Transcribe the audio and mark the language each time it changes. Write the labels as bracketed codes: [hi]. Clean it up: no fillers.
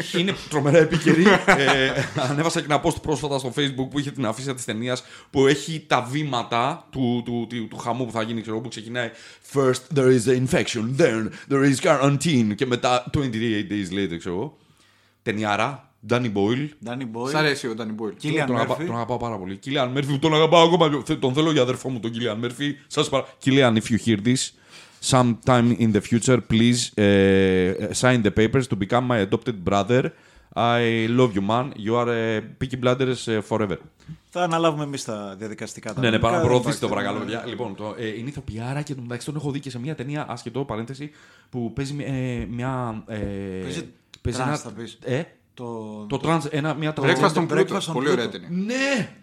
[el] Είναι τρομερά επίκαιρη. ανέβασα και ένα post πρόσφατα στο Facebook που είχε την αφίσα της ταινίας που έχει τα βήματα του χαμού που θα γίνει, ξέρω, που ξεκινάει «First there is the infection, then there is quarantine» και μετά 23 days later, ξέρω. Ταινιάρα. Danny Boyle. Σ' αρέσει ο Danny Boyle. Κίλιαν Μέρφυ. Τον αγαπάω πάρα πολύ. Κίλιαν Μέρφυ, τον αγαπάω ακόμα. Τον θέλω για αδερφό μου τον Κίλιαν Μέρφυ. Σας παρακαλώ. [en] Κίλιαν, if you hear this, sometime in the future, please sign the papers to become my adopted brother. I love you, man. You are picky bladders forever. [el] Θα αναλάβουμε εμείς τα διαδικαστικά. Ναι, ναι, παραπροωθήστε το παρακαλώ. Λοιπόν, είναι ηθοποιάρα και τον έχω δει και σε μια ταινία, άσχετο παρένθεση, που παίζει μια. Παίζει τρανς, θα πεις. Το τρανς, μια τραγωδία. Breakfast on Pluto. Πολύ ωραία ταινία. Ναι!